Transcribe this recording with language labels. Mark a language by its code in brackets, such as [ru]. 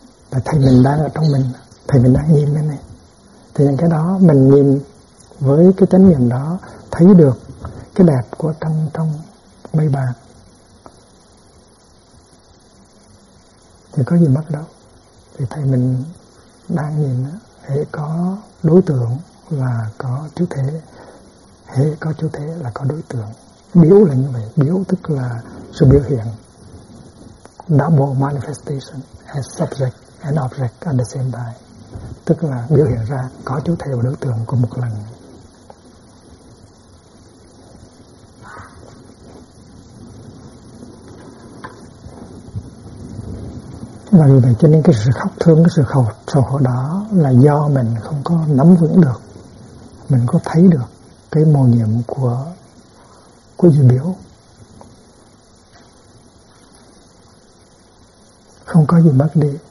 [vi] Và thầy mình đang ở trong mình, thầy mình đang nhìn bên này. Thì những cái đó mình nhìn với cái chánh niệm đó, thấy được cái đẹp của trong mây bạc, thì có gì mất đâu. Thì thầy mình đang nhìn để có đối tượng là có chủ thể. Hễ có chủ thể là có đối tượng. Biểu là như vậy. Biểu tức là sự biểu hiện. [en] Double manifestation as subject and object at the same time. [vi] Tức là biểu hiện ra có chủ thể và đối tượng của một lần. Và vì vậy cho nên cái sự khóc thương, cái sự khổ sầu khổ đó là do mình không có nắm vững được, mình có thấy được cái màu nhiệm của dự biểu, không có gì mất đi.